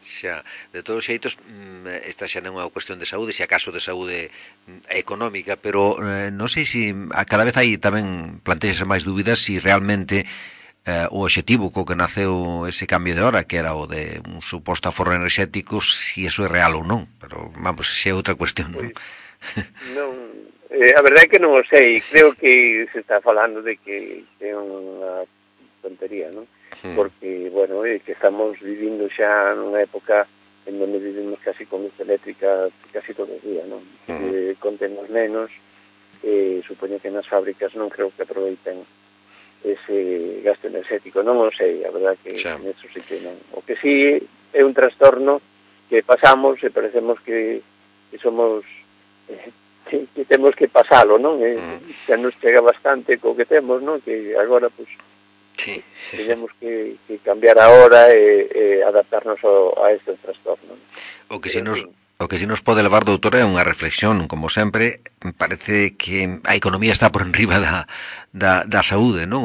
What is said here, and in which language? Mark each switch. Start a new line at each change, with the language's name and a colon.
Galician: Xa, de todos os xeitos, esta xa non é unha cuestión de saúde, xa caso de saúde económica, pero non sei si a cada vez aí tamén plantexase máis dúbidas si realmente o objetivo co que naceu ese cambio de hora, que era o de un suposto aforro energético, si eso é real ou non, pero vamos, xa é outra cuestión, pues, non? A verdade é que non o sei, creo que se está falando de que é unha tontería, non? Sí. Porque, bueno, que estamos vivindo xa nunha época en donde vivimos casi con luz eléctrica casi todo o día, non? Uh-huh. Conten os nenos, supoño que nas fábricas non creo que aproveiten ese gasto energético, non o sei, a verdad que neso sí que non. O que sí é un trastorno que pasamos e parecemos que somos que temos que pasalo, non? Xa nos chega bastante co que temos, non? Que agora, pois, sí.
Spanish: Tenemos que cambiar ahora e adaptarnos a este trastorno.
Galician: O que si nos pode levar, doutora, é unha reflexión, como sempre, parece que a economía está por enriba da saúde, non?